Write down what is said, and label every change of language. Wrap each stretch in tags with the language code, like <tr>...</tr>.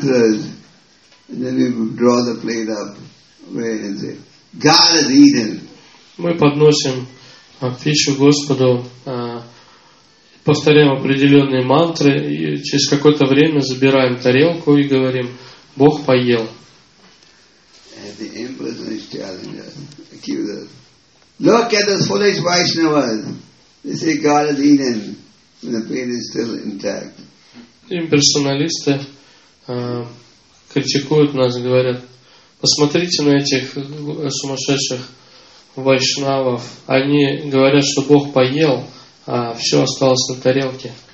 <en>mantras, and then we draw the plate up and say, God has eaten.</en> <ru>Мы подносим пищу Господу, повторяем определенные мантры и через какое-то время забираем тарелку и говорим, Бог поел.</ru> <en>And the impersonalist challenges, accusers. Look at those foolish Vaishnavas. They say God has eaten when the plate is still intact.</en> <ru>Имперсоналисты критикуют нас, говорят, посмотрите на этих сумасшедших вайшнавов. Они говорят, что Бог поел, а все осталось на тарелке.</ru>